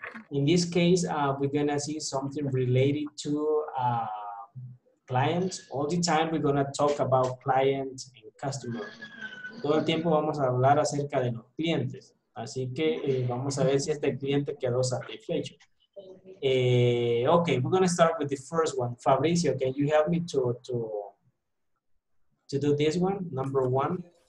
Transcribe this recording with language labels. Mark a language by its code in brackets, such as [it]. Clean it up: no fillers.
[en] In this case, we're gonna see something related to clients. All the time we're gonna talk about clients and customers. [es] Todo el tiempo vamos a hablar acerca de los clientes. Así que vamos a ver si este cliente quedó satisfecho. [en] Okay, we're gonna start with the first one. Fabricio, can you help me to do this one, number one?